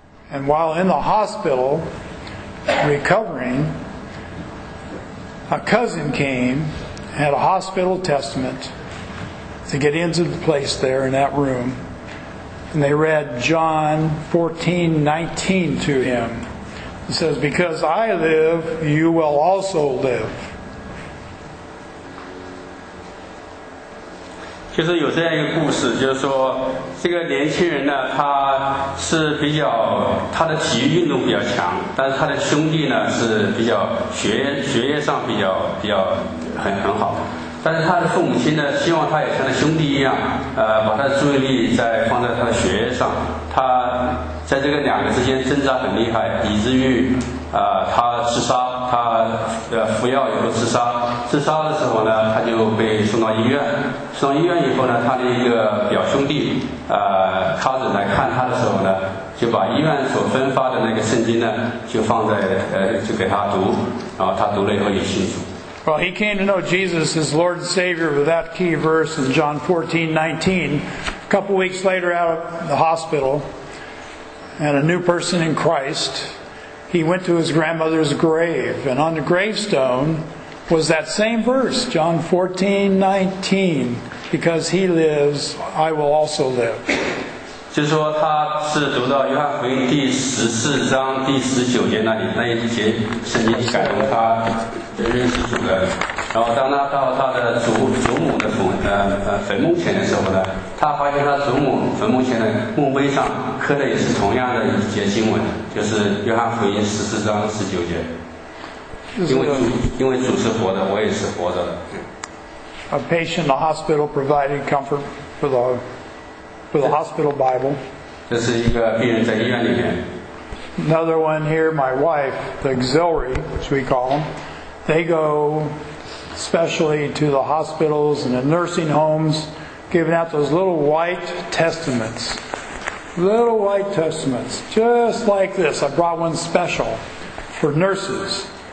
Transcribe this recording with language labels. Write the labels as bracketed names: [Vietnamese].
[English] And while in the hospital, recovering, a cousin came, had a hospital testament. The Gideons had placed there in that room. And they read John 14:19 to him. It says, Because I live, you will also live. [Chinese] 就是有这样一个故事，就是说这个年轻人呢，他是比较，他的体育运动比较强，但是他的兄弟呢是比较学业上比较很好。但是他的父母亲呢，希望他也像他兄弟一样，把他的注意力再放在他的学业上。他在这个两个之间挣扎很厉害，以至于他自杀，他服药以后自杀。自杀的时候呢，他就被送到医院。送到医院以后呢，他的一个表兄弟cousin 来看他的时候呢，就把医院所分发的那个圣经呢，就放在就给他读，然后他读了以后也信主。 [English] Well, he came to know Jesus as Lord and Savior with that key verse in John 14:19. A couple weeks later, out of the hospital, and a new person in Christ, he went to his grandmother's grave, and on the gravestone was that same verse, John 14:19, because he lives, I will also live. [Chinese] 就是说他是读到约翰福音第十四章第十九节那里，那一节圣经感动他认识主的，然后当他到他的 祖母的 坟墓前的时候呢，他发现他祖母坟墓前的墓碑上刻的也是同样的一节经文，就是约翰福音十四章十九节，因为主是活的，我也是活着的。 [English] A patient in the hospital provided comfort for the hospital Bible. [Chinese] 这是一个病人在医院里面。 [English] Another one here, my wife, the auxiliary, which we call them, they go especially to the hospitals and the nursing homes, giving out those little white testaments. Little white testaments, just like this. I brought one special for nurses.